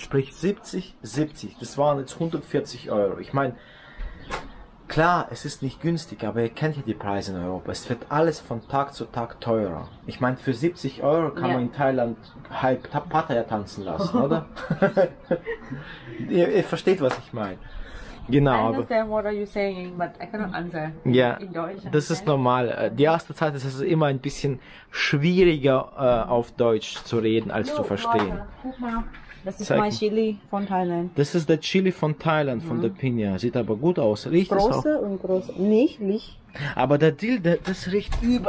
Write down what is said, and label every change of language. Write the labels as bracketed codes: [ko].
[de] Sprich 70, 70. Das waren jetzt 140 Euro. Ich meine, klar, es ist nicht günstig, aber ihr kennt ja die Preise in Europa. Es wird alles von Tag zu Tag teurer. Ich meine, für 70 Euro kann man in Thailand halb Pattaya tanzen lassen, oder? ihr versteht, was ich meine. Genau. [en] I understand what are you saying, but I cannot answer. [de] Ja, das ist normal. Die erste Zeit ist es immer ein bisschen schwieriger auf Deutsch zu reden als zu verstehen. Guck mal, das ist mein Chili von Thailand. Das ist der Chili von Thailand von der Pinja. Sieht aber gut aus. Riecht große es auch? Und große. Nicht, nicht. Aber der Dill, das riecht übel.